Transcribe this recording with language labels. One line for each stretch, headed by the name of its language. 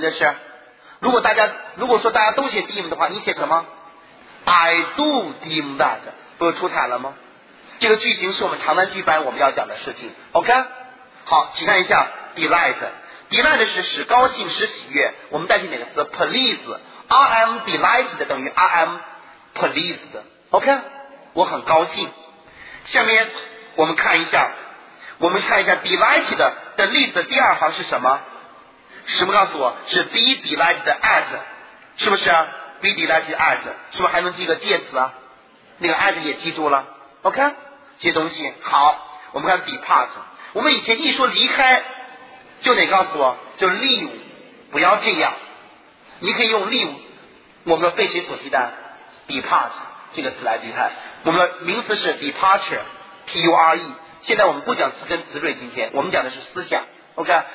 Chinese: 这是，如果说大家都写 deem 的话，你写什么 ？
English: I do deem that，
Chinese: 不是出彩了吗？这个句型是我们长难句班我们要讲的事情 ，OK？ 好，请看一下 delight 是使高兴、使喜悦。我们代替哪个词 ？Please，
English: I am delighted
Chinese: 等于
English: I am pleased，
Chinese: OK？、Okay? 我很高兴。下面我们看一下 delighted 的例子第二行是什么？什么告诉我？是
English: be delighted at，
Chinese: 是不是 ？
English: Be delighted at，
Chinese: 是不是还能记个介词啊？那个 at 也记住了 ，OK？ 接东西。好，我们看 depart， 我们以前一说离开就得告诉我就 leave， 不要这样，你可以用 leave， 我们说被谁所替代 depart 这个词来替代，我们说名词是 departure， T-U-R-E， 现在我们不讲词根词缀，今天我们讲的是思想， OK？